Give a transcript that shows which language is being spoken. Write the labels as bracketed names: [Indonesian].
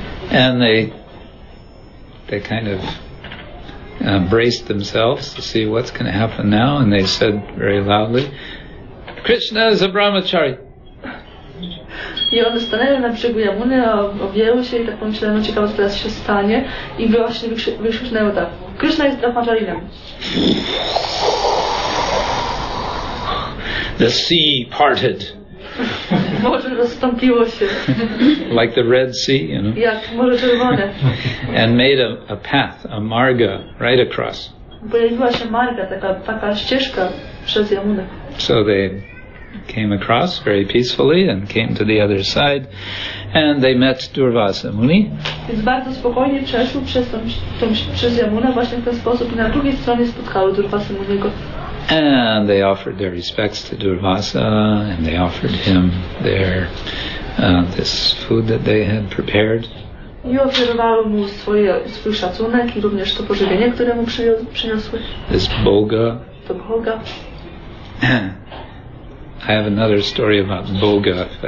[English] And they kind of braced themselves to see what's going to happen now, and they said very loudly, Krishna is a brahmachari. [Polish] I one stanęły na brzegu Yamuny, objęły się i tak pomyślały, no ciekawe, co teraz się stanie. I właśnie wykrzyknęły tak, Krishna jest brahmacharinem. [English] The sea parted. [Polish] Morze rozstąpiło się. [English] Like the Red Sea, you know. [Polish] Jak Morze Czerwone. [English] And made a path, a marga, right across. [Polish] Pojawiła się marga, taka ścieżka przez Yamunę. [English] So they came across very peacefully and came to the other side, and they met Durvasa Muni. [Polish] Więc bardzo spokojnie przeszły przez Yamuna właśnie w ten sposób, i na drugiej stronie spotkały Durvasa Muniego. [English] And they offered their respects to Durvasa, and they offered him their this food that they had prepared. [Polish] I oferowały mu swój szacunek i również to pożywienie, które mu przyniosły. [English] This boga. [Polish] To boga. [English] I have another story about boga.